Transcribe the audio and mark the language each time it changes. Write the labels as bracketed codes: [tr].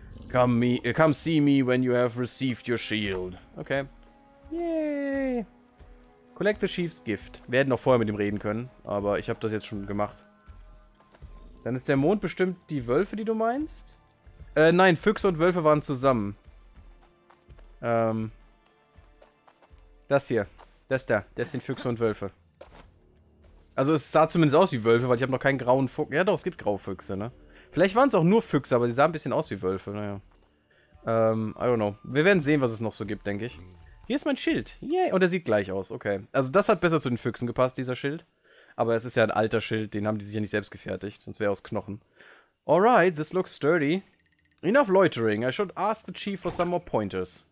[en] Come see me when you have received your shield. Okay. Yay. Collect the Chief's Gift. [de] Wir hätten auch vorher mit ihm reden können, aber ich habe das jetzt schon gemacht. Dann ist der Mond bestimmt die Wölfe, die du meinst? Nein, Füchse und Wölfe waren zusammen. Das hier. Das da. Das sind Füchse und Wölfe. Also es sah zumindest aus wie Wölfe, weil ich habe noch keinen grauen Fuchs. Ja doch, es gibt graue Füchse, ne? Vielleicht waren es auch nur Füchse, aber sie sahen ein bisschen aus wie Wölfe, naja. [en] I don't know. [de] Wir werden sehen, was es noch so gibt, denke ich. Hier ist mein Schild. Yay. Und er sieht gleich aus, okay. Also das hat besser zu den Füchsen gepasst, dieser Schild. Aber es ist ja ein alter Schild, den haben die sich ja nicht selbst gefertigt. Sonst wäre er aus Knochen. [en] Alright, this looks sturdy. Enough loitering. I should ask the chief for some more pointers.